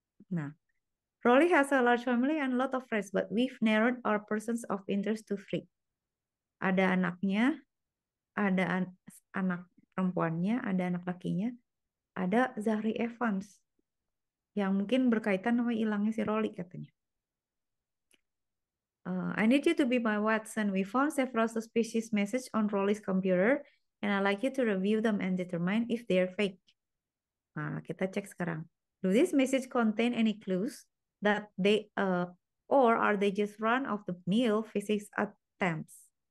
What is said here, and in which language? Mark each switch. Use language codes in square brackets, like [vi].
[en] Nah, Rolly has a large family and a lot of friends, but we've narrowed our persons of interest to three. [id] Ada anaknya, ada anak perempuannya, ada anak lakinya, ada Zahri Evans yang mungkin berkaitan sama hilangnya si Rolly katanya. [en] I need you to be my Watson. We found several suspicious messages on Rolly's computer, and I'd like you to review them and determine if they're fake. [id] Nah, kita cek sekarang. [en] Do this message contain any clues? That they or are they just run of the mill physics attempts?